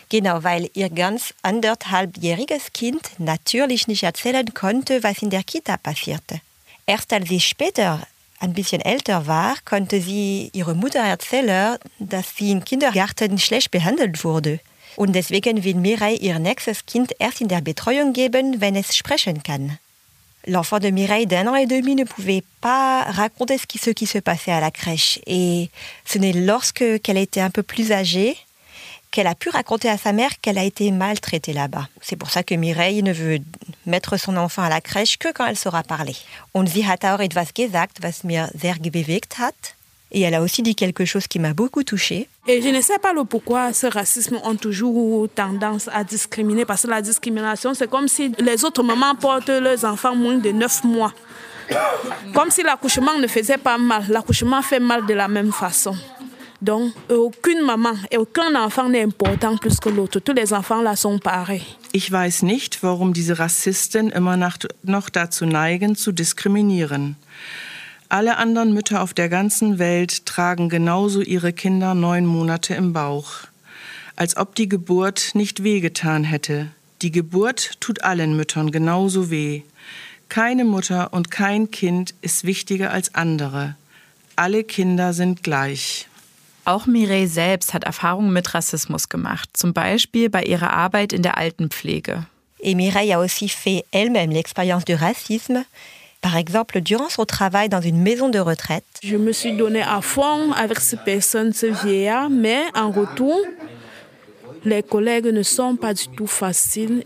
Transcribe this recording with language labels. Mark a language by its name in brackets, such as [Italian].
[German] Genau, weil ihr ganz anderthalbjähriges Kind natürlich nicht erzählen konnte, was in der Kita passierte. Erst als sie später ein bisschen älter war, konnte sie ihre Mutter erzählen, dass sie im Kindergarten schlecht behandelt wurde. Und deswegen will Mireille ihr nächstes Kind erst in der Betreuung geben, wenn es sprechen kann. [French] L'enfant de Mireille d'un an et demi ne pouvait pas raconter ce qui se passait à la crèche. Et ce n'est lorsque qu'elle était un peu plus âgée qu'elle a pu raconter à sa mère qu'elle a été maltraitée là-bas. C'est pour ça que Mireille ne veut mettre son enfant à la crèche que quand elle saura parler. [German] Und sie hat auch etwas gesagt, was mir sehr bewegt hat. [French] Et elle a aussi dit quelque chose qui m'a beaucoup touchée. Et je ne sais pas pourquoi ce racisme a toujours tendance à discriminer, parce que la discrimination, c'est comme si les autres mamans portent leurs enfants moins de 9 mois. Comme si l'accouchement ne faisait pas mal. L'accouchement fait mal de la même façon. Donc, aucune maman et aucun enfant n'est important plus que l'autre. Tous les enfants là sont pareils. [German] Ich weiß nicht, warum diese Rassisten immer noch dazu neigen, zu diskriminieren. Alle anderen Mütter auf der ganzen Welt tragen genauso ihre Kinder 9 Monate im Bauch. Als ob die Geburt nicht wehgetan hätte. Die Geburt tut allen Müttern genauso weh. Keine Mutter und kein Kind ist wichtiger als andere. Alle Kinder sind gleich. Auch Mireille selbst hat Erfahrungen mit Rassismus gemacht, zum Beispiel bei ihrer Arbeit in der Altenpflege. [French] Et Mireille a aussi fait elle-même l'expérience du racisme. Par exemple, durant son travail dans une maison de retraite. Je me suis donnée à fond avec ces personnes, ces vieillards, mais en retour, les collègues ne sont pas du tout faciles.